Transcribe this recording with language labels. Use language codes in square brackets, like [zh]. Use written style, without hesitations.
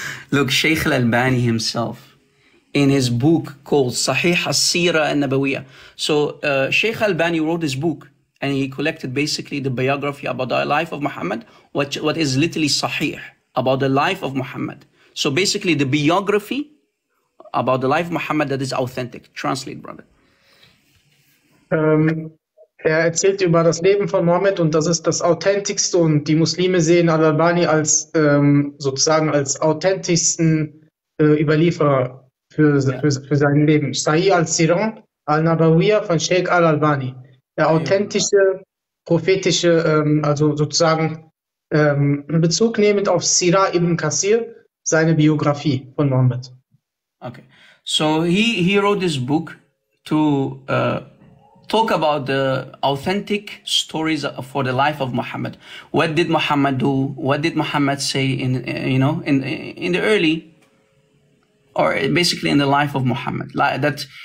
[en] Look, Sheikh Al Albani himself, in his book called Sahih Al Sira and Nabawiyyah. So, Sheikh Al Albani wrote this book. And he collected basically the biography about the life of Muhammad, what is literally Sahih, about the life of Muhammad. So basically the biography about the life of Muhammad that is authentic. Translate, brother. [de] Er erzählt über das Leben von Mohammed und das ist das Authentischste. Und die Muslime sehen Al-Albani als sozusagen als authentischsten Überlieferer für sein Leben. Sahih al-Siran al-Nabawiyyah von Sheikh Al-Albani. Der authentische, prophetische, also sozusagen Bezug nehmend auf Sira ibn Kassir, seine Biografie von Mohammed. [en] Okay, so he wrote this book to talk about the authentic stories for the life of Muhammad. What did Muhammad do? What did Muhammad say in the early, or basically in the life of Muhammad? Like that.